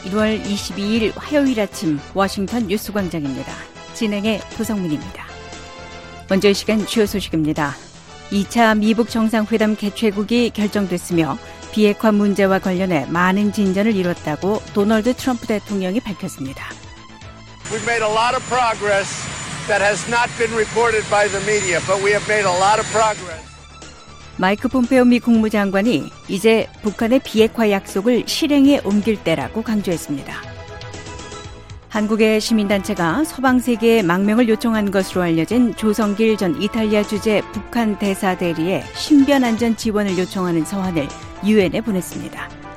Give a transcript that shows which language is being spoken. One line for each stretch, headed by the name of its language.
Korean: 1월 22일 화요일 아침 워싱턴 뉴스 광장입니다. 진행의 도성민입니다. 먼저 이 시간 주요 소식입니다. 2차 미북 정상회담 개최국이 결정됐으며 비핵화 문제와 관련해 많은 진전을 이뤘다고 도널드 트럼프 대통령이 밝혔습니다.
English: We've made a lot of progress. That has not been reported by the media, but we have made a lot of progress.
Korean: 마이크 폼페오 미 국무장관이 이제 북한의 비핵화 약속을 실행에 옮길 때라고 강조했습니다. 한국의 시민단체가 서방 세계에 망명을 요청한 것으로 알려진 조성길 전 이탈리아 주재 북한 대사 대리에 신변 안전 지원을 요청하는 서한을 UN에 보냈습니다.